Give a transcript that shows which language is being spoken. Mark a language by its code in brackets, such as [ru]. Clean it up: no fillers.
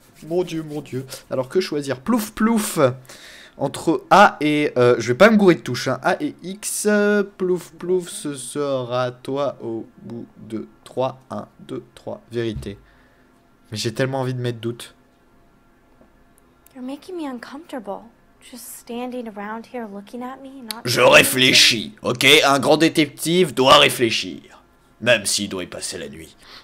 [fr] Mon dieu, mon dieu. Alors que choisir? Plouf, plouf. Entre A et... je vais pas me gourer de touche. Hein. A et X. Plouf, plouf. Ce sera toi au bout de 3. 1, 2, 3. Vérité. Mais j'ai tellement envie de mettre doute. [en] You're making me uncomfortable. Just standing around here looking at me, not... [fr] Je réfléchis, ok? Un grand détective doit réfléchir. Même s'il doit y passer la nuit.